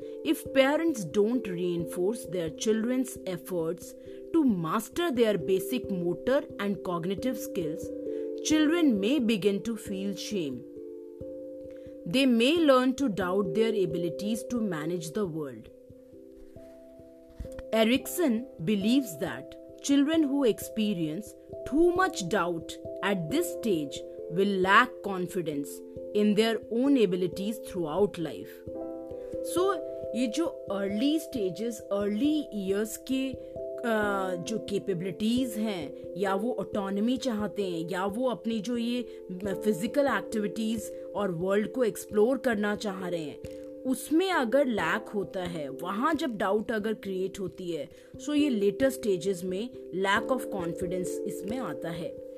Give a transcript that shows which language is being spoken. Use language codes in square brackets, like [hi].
[en] If parents don't reinforce their childrens efforts to master their basic motor and cognitive skills, children may begin to feel shame. They may learn to doubt their abilities to manage the world. Erikson believes that children who experience too much doubt at this stage will lack confidence in their own abilities throughout life. [hi] So, ये जो early stages, early years के जो capabilities हैं, या वो autonomy चाहते हैं, या वो अपनी जो ये physical activities और world को explore करना चाह रहे हैं, उसमें अगर लैक होता है, वहां जब डाउट अगर क्रिएट होती है, सो ये लेटर स्टेजेस में लैक ऑफ कॉन्फिडेंस इसमें आता है.